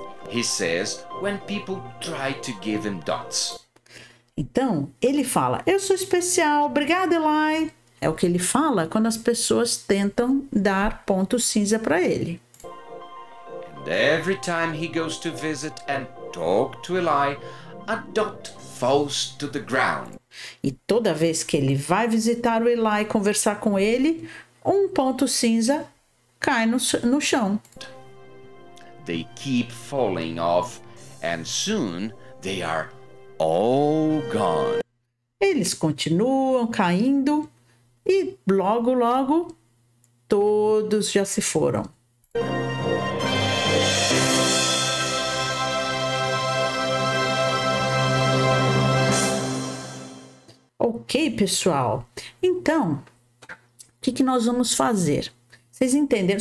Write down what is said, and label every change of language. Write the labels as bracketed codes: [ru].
[en] He says when people try to give him dots. [pt] Então, ele fala, eu sou especial. Obrigada, Eli. É o que ele fala quando as pessoas tentam dar ponto cinza para ele. [en] And every time he goes to visit and talk to Eli, a dot falls to the ground. [pt] E toda vez que ele vai visitar o Eli e conversar com ele, um ponto cinza cai no chão. [en] They keep falling off and soon they are all gone. [pt] Eles continuam caindo. E logo, logo, todos já se foram. Ok, pessoal. Então, o que nós vamos fazer? Vocês entenderam?